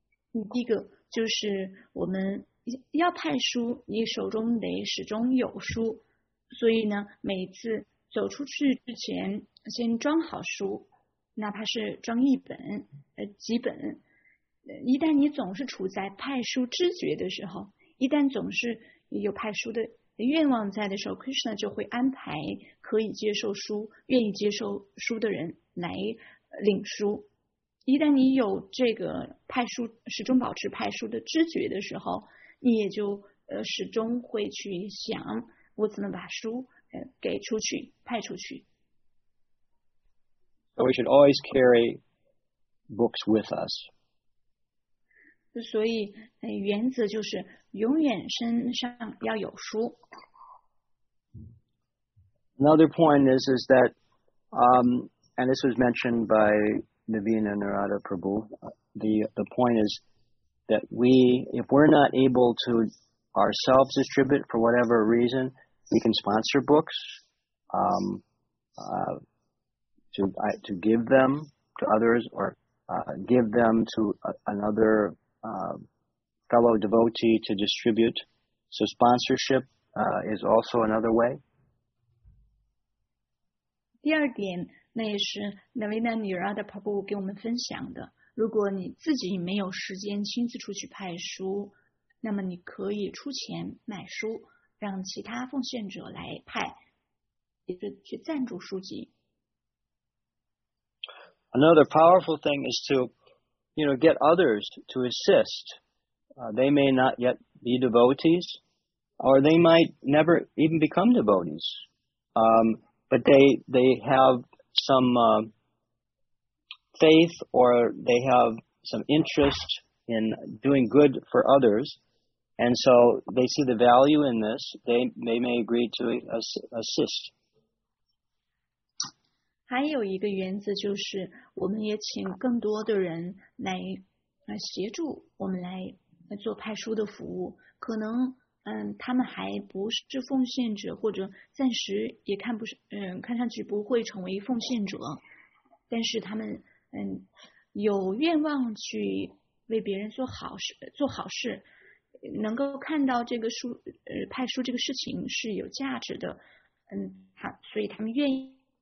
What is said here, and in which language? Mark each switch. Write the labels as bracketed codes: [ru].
[zh] 第一个就是我们要派书，你手中得始终有书，所以呢，每次走出去之前先装好书，哪怕是装一本几本，一旦你总是处在派书知觉的时候，一旦总是有派书的愿望在的时候， Krishna 就会安排可以接受书、愿意接受书的人来领书。一旦你有这个派书，始终保持派书的知觉的时候，你也就始终会去想我怎么把书给出去派出去。 [en] So we should always carry books with us. [zh] 所以原则就是永远身上要有书。 [en] Another point is that, and this was mentioned by Naveen and Narada Prabhu, the point is that we, if we're not able to ourselves distribute for whatever reason, we can sponsor books, to give them to others, or give them to another fellow devotee to distribute. So sponsorship is also another way. [zh] 第二点，那也是 Navina Nirada Prabhu 给我们分享的。如果你自己没有时间亲自出去派书，那么你可以出钱买书，让其他奉献者来派，也是去赞助书籍。 [en] Another powerful thing is to, you know, get others to assist. They may not yet be devotees, or they might never even become devotees. But they have some faith, or they have some interest in doing good for others. And so they see the value in this. They may agree to assist. [zh] 还有一个原则就是，我们也请更多的人来协助我们来做派书的服务，可能他们还不是奉献者，或者暂时也看不上，看上去不会成为奉献者，但是他们有愿望去为别人做好事，做好事，能够看到这个书，派书这个事情是有价值的，好，所以他们愿意